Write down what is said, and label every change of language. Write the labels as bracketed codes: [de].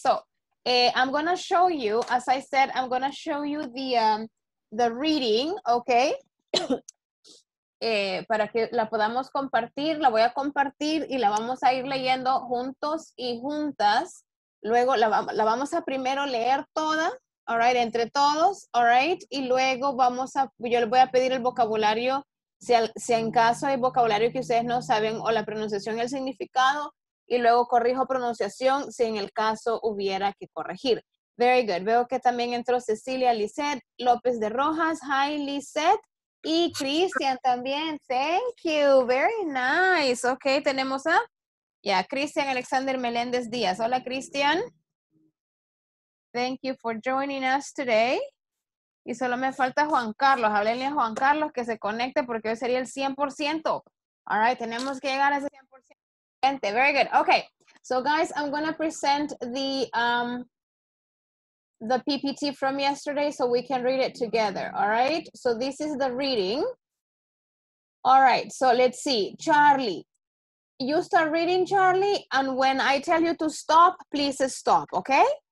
[en] So, I'm going to show you, as I said, I'm going to show you the reading, okay? [es] para que la podamos compartir, la voy a compartir y la vamos a ir leyendo juntos y juntas. Luego la vamos a primero leer toda, [en] all right, [es] entre todos, all right, y luego yo le voy a pedir el vocabulario, si en caso hay vocabulario que ustedes no saben, o la pronunciación y el significado, y luego corrijo pronunciación si en el caso hubiera que corregir. [en] Very good. [es] Veo que también entró Cecilia Lizeth López de Rojas. [en] Hi, Lizeth. [es] Y Cristian también, [en] thank you, very nice. [es] Ok, tenemos a, Cristian Alexander Meléndez Díaz. Hola, Cristian. [en] Thank you for joining us today. [es] Y solo me falta Juan Carlos. Háblenle a Juan Carlos que se conecte porque hoy sería el 100%. [en] All right, [es] tenemos que llegar a ese 100%. [en] Very good. Ok, so guys, I'm going to present the PPT from yesterday so we can read it together, all right? So this is the reading. All right, so let's see. Charlie, you start reading, Charlie, and when I tell you to stop, please stop, okay?